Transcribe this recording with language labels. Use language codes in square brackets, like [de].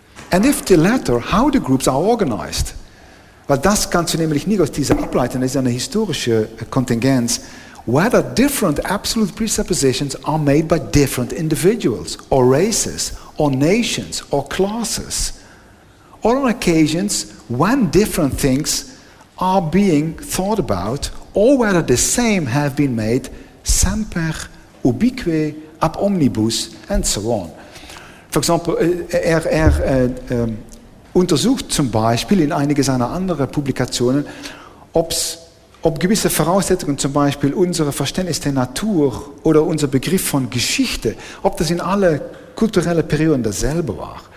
[en] And if the latter, how the groups are organized. [de] Weil das kannst du nämlich nicht aus dieser ableiten, das ist eine historische Kontingenz. [en] Whether different absolute presuppositions are made by different individuals, or races, or nations, or classes, or on occasions when different things are being thought about, or whether the same have been made [la] semper ubique ab omnibus, [en] and so on. For example, [de] untersucht zum Beispiel in einige seiner anderen Publikationen, ob gewisse Voraussetzungen, zum Beispiel unser Verständnis der Natur oder unser Begriff von Geschichte, ob das in alle kulturellen Perioden dasselbe war.